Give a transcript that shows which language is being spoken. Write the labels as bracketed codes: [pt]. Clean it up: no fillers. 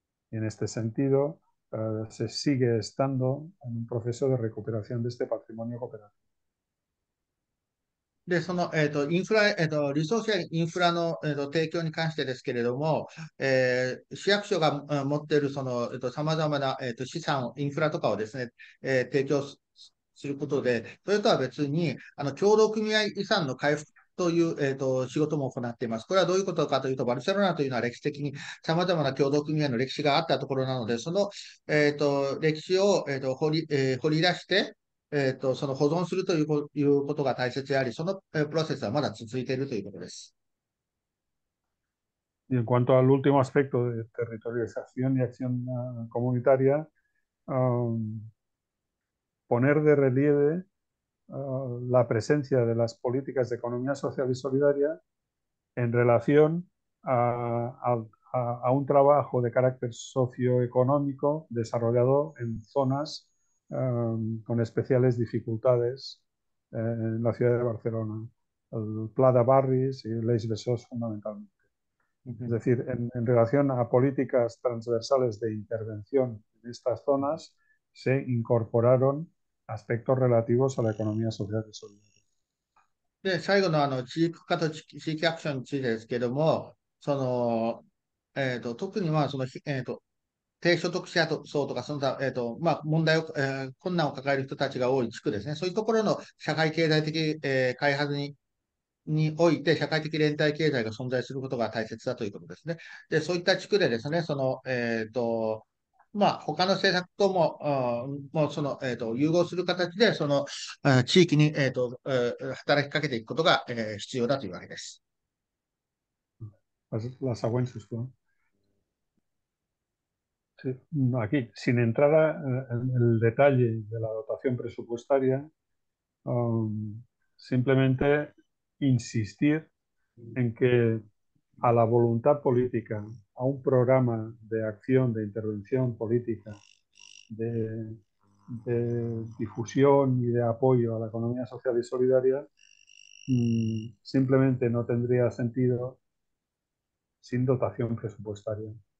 [es] Y en este sentido, se sigue estando en un proceso de recuperación de este patrimonio cooperativo. [ja] で、その、インフラ、リソースやインフラの、提供に関してですけれども、市役所が、持っているその、さまざまな、資産、インフラとかをですね、提供することで、それとは別に、協同組合遺産の回復という、仕事も行っています。これはどういうことかというと、バルセロナというのは歴史的にさまざまな協同組合の歴史があったところなので、その、歴史を、掘り出して、その保存するということが大切であり、そのプロセスはまだ続いているということです。 [es] Y en cuanto al último aspecto de territorialización y acción comunitaria, poner de relieve la presencia de las políticas de economía social y solidaria en relación a un trabajo de carácter socioeconómico desarrollado en zonas con especiales dificultades en la ciudad de Barcelona, el Pla de Barris y el Eix Besòs fundamentalmente. Es decir, en relación a políticas transversales de intervención en estas zonas, se incorporaron aspectos relativos a la economía social y solidaria. [ja] で、最後の地域化と地域アクションについてですけども、特にまあ、低所得者層とか、その他、まあ、問題を、困難を抱える人たちが多い地区ですね、そういうところの社会経済的、開発において、社会的連帯経済が存在することが大切だということですね。で、そういった地区でですね、その、まあ、他の政策とも、もうその、融合する形で、その、地域に、働きかけていくことが、必要だというわけです。 [ca] La següent, sisplau. [es] Sí, aquí, sin entrar en el detalle de la dotación presupuestaria, simplemente insistir en que a la voluntad política, a un programa de acción, de intervención política, de difusión y de apoyo a la economía social y solidaria, simplemente no tendría sentido sin dotación presupuestaria.